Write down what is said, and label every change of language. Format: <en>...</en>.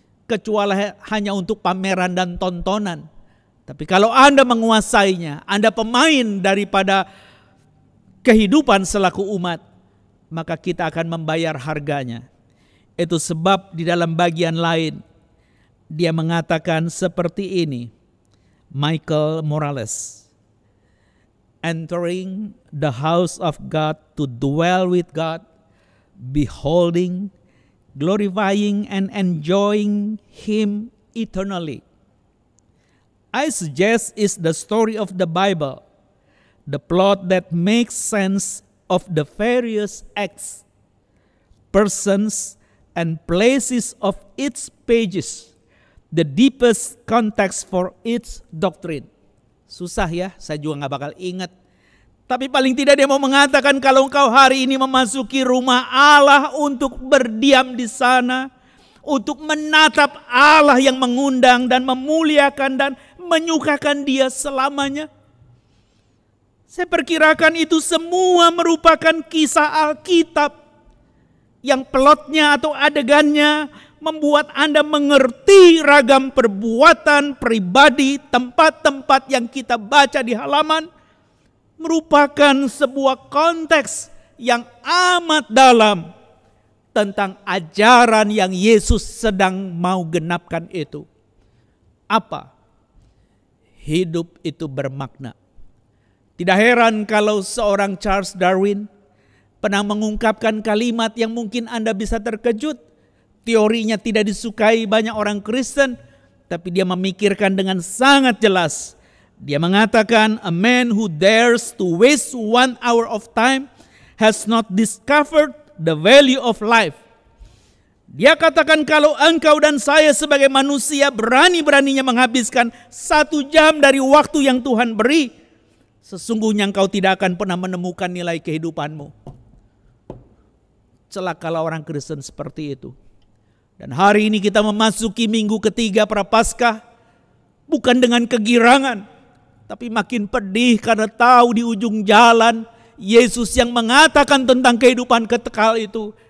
<id>Kecuali hanya untuk pameran dan tontonan. Tapi kalau Anda menguasainya, Anda pemain daripada kehidupan selaku umat, maka kita akan membayar harganya. Itu sebab di dalam bagian lain, dia mengatakan seperti ini. Michael Morales.</id> <en>Entering the house of God to dwell with God, beholding, glorifying, and enjoying Him eternally. I suggest is the story of the Bible, the plot that makes sense of the various acts, persons, and places of its pages, the deepest context for its doctrine.</en> <id>Susah ya, saya juga gak bakal ingat. Tapi paling tidak dia mau mengatakan kalau engkau hari ini memasuki rumah Allah untuk berdiam di sana, untuk menatap Allah yang mengundang dan memuliakan dan menyukakan dia selamanya. Saya perkirakan itu semua merupakan kisah Alkitab yang plotnya atau adegannya membuat Anda mengerti ragam perbuatan pribadi, tempat-tempat yang kita baca di halaman. Merupakan sebuah konteks yang amat dalam tentang ajaran yang Yesus sedang mau genapkan itu. Apa? Hidup itu bermakna. Tidak heran kalau seorang Charles Darwin pernah mengungkapkan kalimat yang mungkin Anda bisa terkejut. Teorinya tidak disukai banyak orang Kristen, tapi dia memikirkan dengan sangat jelas. Dia mengatakan,</id> <en>"A man who dares to waste 1 hour of time has not discovered the value of life."</en> <id>Dia katakan kalau engkau dan saya sebagai manusia berani-beraninya menghabiskan 1 jam dari waktu yang Tuhan beri, sesungguhnya engkau tidak akan pernah menemukan nilai kehidupanmu. Celakalah orang Kristen seperti itu. Dan hari ini kita memasuki minggu ketiga Prapaskah, bukan dengan kegirangan, tapi makin pedih karena tahu di ujung jalan Yesus yang mengatakan tentang kehidupan kekal itu</id>